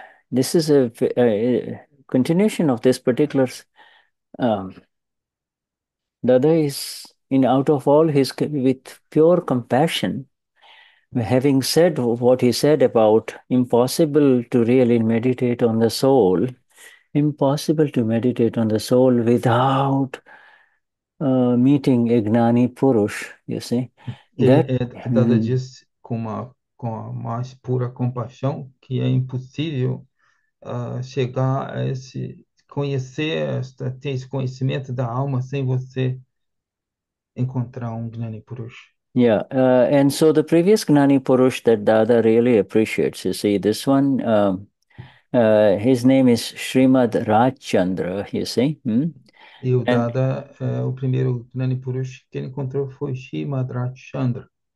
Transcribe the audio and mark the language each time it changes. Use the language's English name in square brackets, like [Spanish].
[English] This is a continuation of this particular Dada is in out of all his with pure compassion, having said what he said about impossible to really meditate on the soul, impossible to meditate on the soul without meeting Ignani Purush, you see that. [Portuguese] Dada disse com a mais pura compaixão que é impossível chegar a esse conhecer ter esse conhecimento da alma sem você encontrar um Gnani Purush. [English] And so the previous Gnani Purush that Dada really appreciates, you see, this one, his name is Srimad Rajchandra, you see. [Portuguese] E o [English] And [Portuguese] Dada, o primeiro Gnani Purush que ele encontrou foi Srimad Rajchandra.